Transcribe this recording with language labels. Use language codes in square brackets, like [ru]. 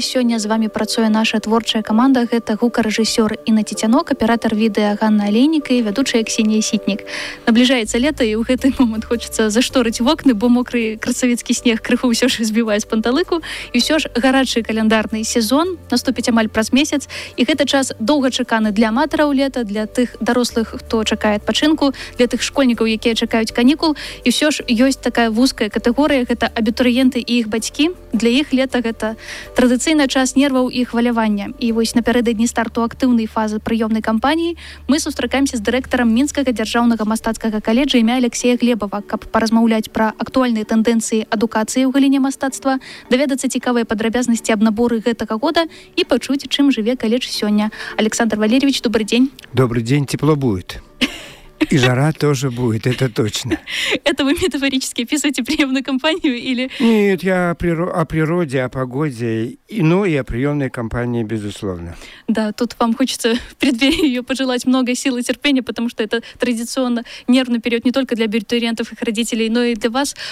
[be] Сёння з вами працює наша творчая команда. Гэта гукарэжысёр Інна Цецянок, аператор відэа Ганна Алейнік і вядучая Ксенія Сітнік. Набліжаецца лето, і ў гэты момант хочацца зашторыць вокны, бо мокры красавіцкі снег крыху ўсё ж збівае з панталыку. І ўсё ж гарачы календарны сезон наступіць амаль праз месяц. І гэта час доўгачаканы для аматараў лета, для тых дарослых, хто чакае адпачынку, для тых школьнікаў, якія чакаюць канікул. І ўсё ж ёсць такая вузкая катэгорыя, гэта абітурыенты і іх бацькі. Для іх лета гэта традыцыйны час нерваў і хвалявання. І вось напярэдадні старту актыўнай фазы прыёмнай кампаніі мы сустракаемся з дырэктарам Мінскага дзяржаўнага мастацкага каледжа імя Алексея Глебава, каб паразмаўляць пра актуальныя тэндэнцыі адукацыі ў галіне мастацтва, даведацца цікавыя падрабязнасці аб наборы гэтага года і пачуць, чым жыве каледж сёння. [ru] Александр Валерьевич, добрый дзень. Добрый дзень, тепло будет. И жара тоже будет, это точно. Это вы метафорически описываете приемную кампанию или... Нет, я о природе, о погоде, ну и о приемной кампании, безусловно. Да, тут вам хочется в преддверии ее пожелать много сил и терпения, потому что это традиционно нервный период не только для абитуриентов и их родителей, но и для вас.